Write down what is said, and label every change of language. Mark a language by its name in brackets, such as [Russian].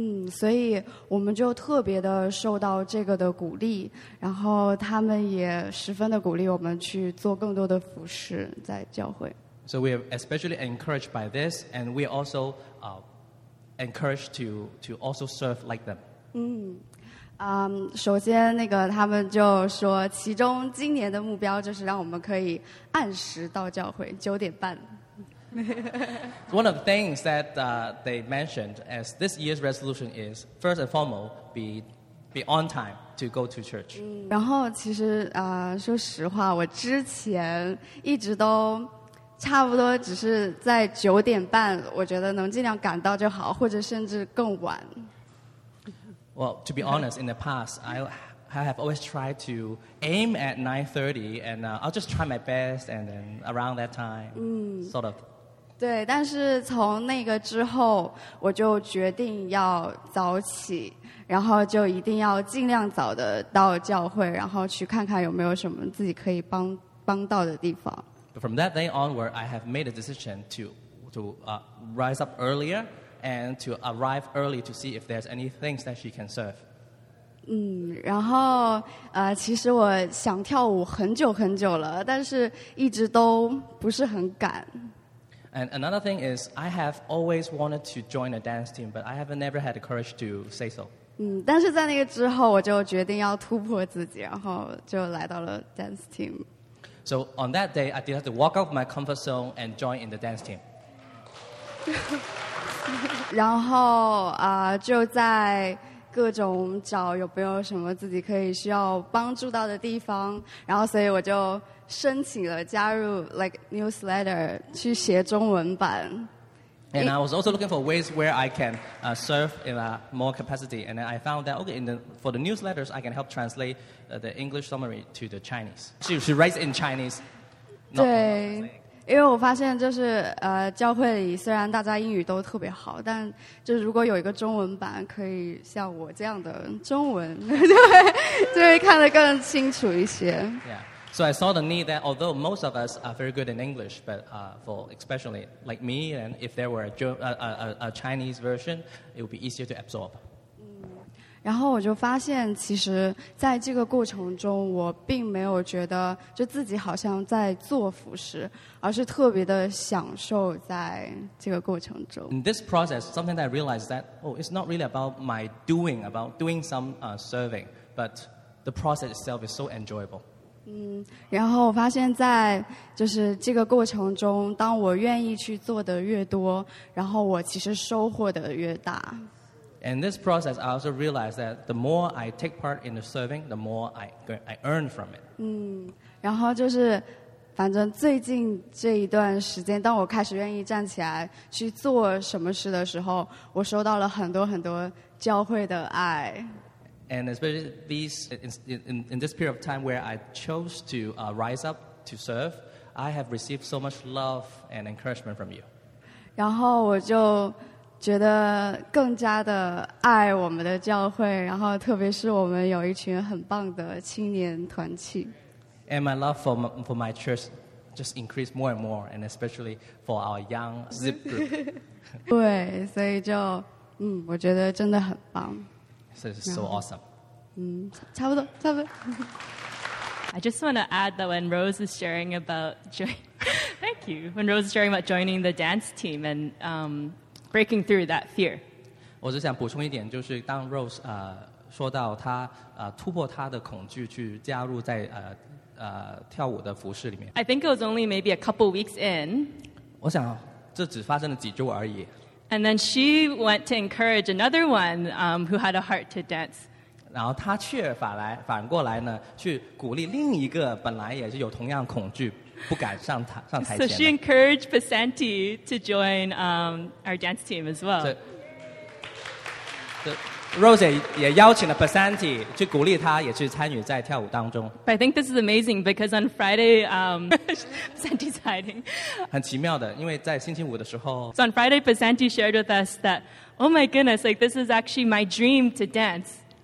[Chinese] 所以我们就特别的受到这个的鼓励，然后他们也十分的鼓励我们去做更多的服侍在教会。 [English] So we are especially encouraged by this, and we are also encouraged to also serve like them. [Chinese] 首先那个他们就说，其中今年的目标就是让我们可以按时到教会，9:30。 [English] One of the things that they mentioned as this year's resolution is first and foremost be on time to go to church. [Chinese] 然后其实说实话，我之前一直都差不多只是在9:30，我觉得能尽量赶到就好，或者甚至更晚。 [English] Well, to be honest, in the past, I have always tried to aim at 9:30, and I'll just try my best, and then around that time, sort of. [Chinese] 对，但是从那个之后，我就决定要早起，然后就一定要尽量早的到教会，然后去看看有没有什么自己可以帮到的地方。 [English] But from that day onward, I have made a decision to rise up earlier and to arrive early to see if there's any things that she can serve. [Chinese] 然后其实我想跳舞很久很久了，但是一直都不是很敢。 [English] And another thing is, I have always wanted to join a dance team, but I have never had the courage to say so. [Chinese] 但是在那个之后，我就决定要突破自己，然后就来到了 dance team. [English] So on that day, I did have to walk out of my comfort zone and join in the dance team. [Chinese] 然后就在各种找有没有什么自己可以需要帮助到的地方，然后所以我就申请了加入 like newsletter 去写中文版。 [English] And I was also looking for ways where I can serve in a more capacity. And then I found that, okay, for the newsletters, I can help translate the English summary to the Chinese. She writes in Chinese. [Chinese] 对，因为我发现就是教会里虽然大家英语都特别好，但就是如果有一个中文版，可以像我这样的中文，就会看得更清楚一些。 [English] Yeah. So I saw the need that although most of us are very good in English, but for especially like me, and if there were a Chinese version, it would be easier to absorb. [Chinese] 然后我就发现其实在这个过程中我并没有觉得就自己好像在做服侍，而是特别的享受在这个过程中。 [English] In this process, something that I realized that, oh, it's not really about my doing, about doing some serving, but the process itself is so enjoyable. [Chinese] 然后我发现在就是这个过程中，当我愿意去做的越多，然后我其实收获的越大。 [English] In this process, I also realized that the more I take part in the serving, the more I earn from it. [Chinese] 然后就是反正最近这一段时间，当我开始愿意站起来去做什么事的时候，我收到了很多很多教会的爱。 [English] And especially in this period of time where I chose to rise up to serve, I have received so much love and encouragement from you. [Chinese] 然后我就觉得更加的爱我们的教会，然后特别是我们有一群很棒的青年团契。 [English] And my love for my church just increased more and more, and especially for our young zip group. [Chinese] 对，所以就我觉得真的很棒。 [English] So this is so awesome. [Chinese] 差不多。 [English] I just want to add that when Rose is sharing about joining attract you when Rose is sharing about joining the dance team and breaking through that fear? [Chinese] 我只想补充一点，就是当 Rose 说到她突破她的恐惧去加入在跳舞的服饰里面。 [English] I think it was only maybe a couple weeks in. [Chinese] 我想这只发生了几周而已。 [English] And then she went to encourage another one who had a heart to dance. [Chinese] 然后她却反过来呢，去鼓励另一个本来也是有同样恐惧不敢上台。 [English] So she encouraged Pesanti to join our dance team as well. [Chinese] Rose 也邀请了 Pesanti 去鼓励她也去参与在跳舞当中。 [English] But I think this is amazing because on Friday, Pesanti's hiding. [Chinese] 很奇妙的，因为在星期五的时候。 [English] So on Friday, Pesanti shared with us that, oh my goodness, like this is actually my dream to dance.